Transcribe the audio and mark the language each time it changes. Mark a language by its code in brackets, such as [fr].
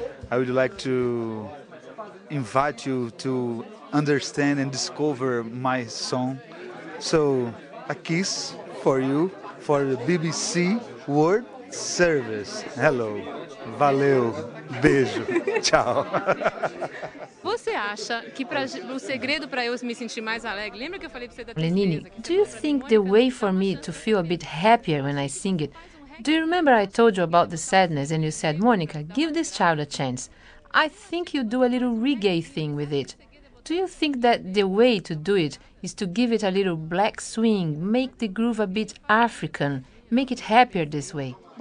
[en] I would like to invite you to understand and discover my song. So, a kiss for you for the BBC World Service. Hello. [pt] Valeu. Beijo. Tchau. Você acha que para o segredo para eu me sentir mais alegre? Lembra que eu falei para você da [en] Lenine, do you think the way for me to feel a bit happier when I sing it? Do you remember I told you about the sadness and you said, "Monica, give this child a chance." I think you do a little reggae thing with it. Do you think that the way to do it is to give it a little black swing, make the groove a bit African, make it happier this way?